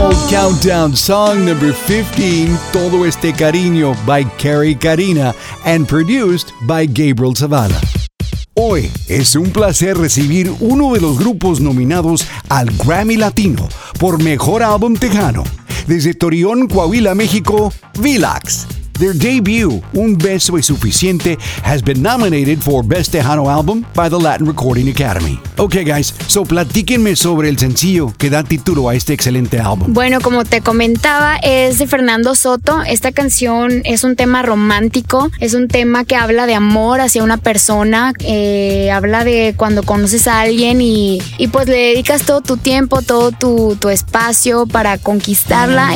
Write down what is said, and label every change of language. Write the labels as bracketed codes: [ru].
[en] Countdown song number 15, Todo Este Cariño by Carrie Carina and produced by Gabriel Zavala. [es] Hoy es un placer recibir uno de los grupos nominados al Grammy Latino por Mejor Álbum Tejano. Desde Torreón, Coahuila, México, Vilax. [en] Their debut, Un Beso Es Suficiente, has been nominated for Best Tejano Album by the Latin Recording Academy. Okay, guys, so [es] platíquenme sobre el sencillo que da título a este excelente álbum. Bueno, como te comentaba, es de Fernando Soto. Esta canción es un tema romántico, es un tema que habla de amor hacia una persona, habla de cuando conoces a alguien y pues le dedicas todo tu tiempo, todo tu espacio para conquistarla.